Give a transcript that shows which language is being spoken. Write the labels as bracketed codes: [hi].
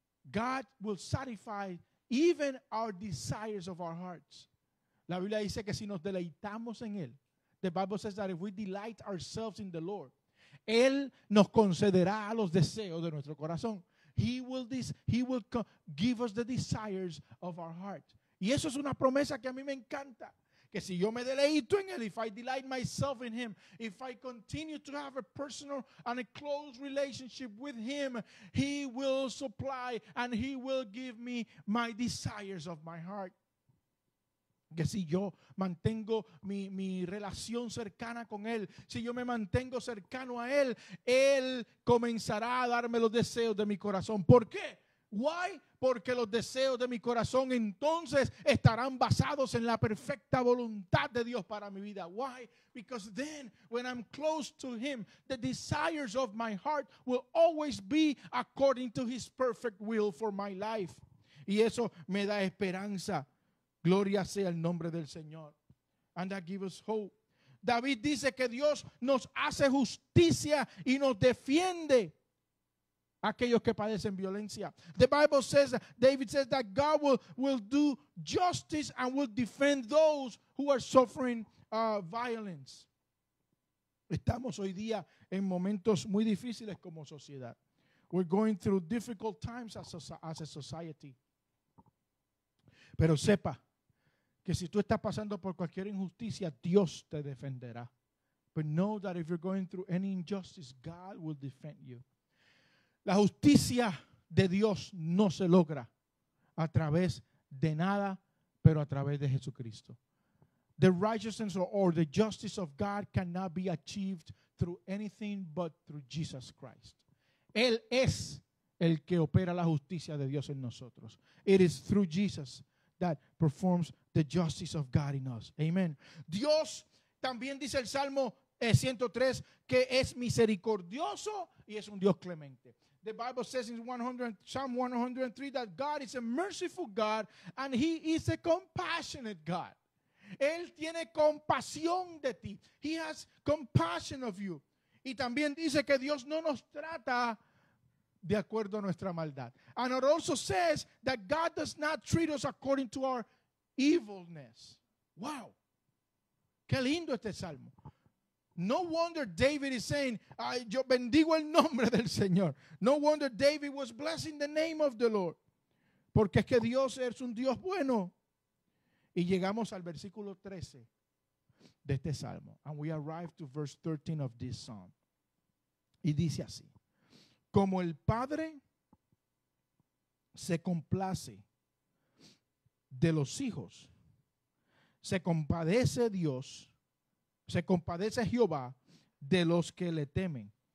[en] God will satisfy even our desires of our hearts. [es] La Biblia dice que si nos deleitamos en Él, [en] the Bible says that if we delight ourselves in the Lord, [es] Él nos concederá los deseos de nuestro corazón. [en] He will give us the desires of our heart. [es] Y eso es una promesa que a mí me encanta. Que si yo me deleito en Él, [en] if I delight myself in Him, if I continue to have a personal and a close relationship with Him, He will supply and He will give me my desires of my heart. [es] Que si yo mantengo mi relación cercana con Él, si yo me mantengo cercano a Él, Él comenzará a darme los deseos de mi corazón. ¿Por qué? [en] Why? [es] Porque los deseos de mi corazón entonces estarán basados en la perfecta voluntad de Dios para mi vida. [en] Why? Because then when I'm close to Him, the desires of my heart will always be according to His perfect will for my life. [es] Y eso me da esperanza. Gloria sea el nombre del Señor. [en] And that gives us hope. [es] David dice que Dios nos hace justicia y nos defiende aquellos que padecen violencia. [en] The Bible says, David says that God will do justice and will defend those who are suffering violence. [es] Estamos hoy día en momentos muy difíciles como sociedad. [en] We're going through difficult times as a society. [es] Pero sepa que si tú estás pasando por cualquier injusticia, Dios te defenderá. [en] But know that if you're going through any injustice, God will defend you. [es] La justicia de Dios no se logra a través de nada, pero a través de Jesucristo. [en] The righteousness or the justice of God cannot be achieved through anything but through Jesus Christ. [es] Él es el que opera la justicia de Dios en nosotros. [en] It is through Jesus that performs the justice of God in us. Amen. [es] Dios también dice el Salmo 103 que es misericordioso y es un Dios clemente. [en] The Bible says in Psalm 103 that God is a merciful God and he is a compassionate God. [es] Él tiene compasión de ti. [en] He has compassion of you. [es] Y también dice que Dios no nos trata de acuerdo a nuestra maldad. [en] And it also says that God does not treat us according to our evilness. Wow. [es] Qué lindo este salmo. [en] No wonder David is saying, [es] yo bendigo el nombre del Señor. [en] No wonder David was blessing the name of the Lord. [es] Porque es que Dios es un Dios bueno. Y llegamos al versículo 13 de este salmo. And we arrive to verse 13 of this psalm. Y dice así. Como el Padre se complace de los hijos, se compadece Dios, se compadece Jehová de los que le temen.